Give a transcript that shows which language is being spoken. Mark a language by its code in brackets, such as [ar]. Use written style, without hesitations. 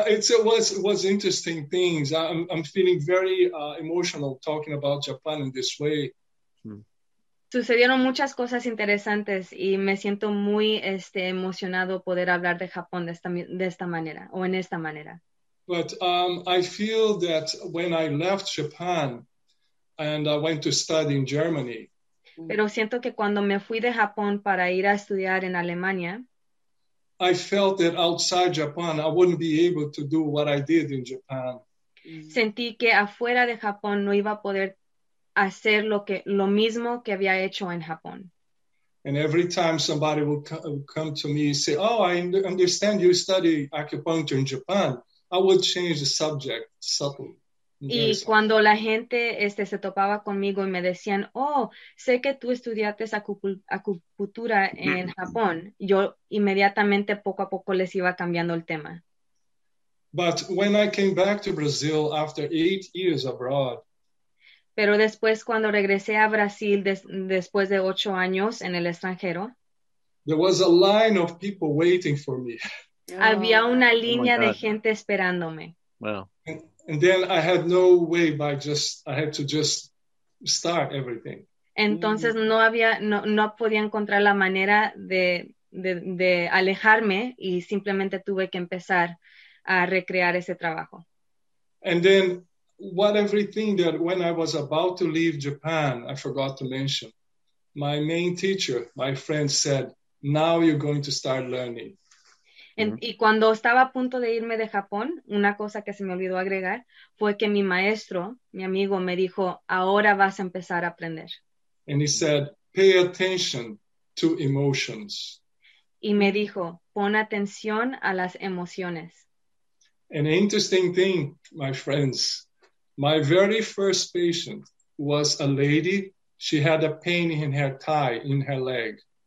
[en] it was interesting things. I'm feeling very emotional talking about Japan in this way. [es] Sucedieron muchas cosas interesantes y me siento muy emocionado poder hablar de Japón de esta manera o en esta manera. [en] But I feel that when I left Japan and I went to study in Germany. [es] Pero siento que cuando me fui de Japón para ir a estudiar en Alemania. [en] I felt that outside Japan, I wouldn't be able to do what I did in Japan. [es] Sentí que afuera de Japón no iba a poder hacer lo mismo que había hecho en Japón. [en] And every time somebody would come to me and say, oh, I understand you study acupuncture in Japan, I would change the subject subtly. [es] Y cuando la gente se topaba conmigo y me decían, oh, sé que tú estudiaste acupuntura en Japón, yo inmediatamente poco a poco les iba cambiando el tema. [en] But when I came back to Brazil after 8 years abroad. [es] Pero después cuando regresé a Brasil después de 8 años en el extranjero. [en] There was a line of people waiting for me. [es] Había una línea de gente esperándome. [en] Wow. And then I had no way I had to just start everything. [es] Entonces no podía encontrar la manera de alejarme y simplemente tuve que empezar a recrear ese trabajo. [en] And then what everything that when I was about to leave Japan, I forgot to mention, my main teacher, my friend said, now you're going to start learning. [es] Y cuando estaba a punto de irme de Japón, una cosa que se me olvidó agregar fue que mi maestro, mi amigo, me dijo, ahora vas a empezar a aprender. [en] And he said, pay attention to emotions. [es] Y me dijo, pon atención a las emociones. [en] An interesting thing, my friends, my very first patient was a lady. She had a pain in her thigh, in her leg.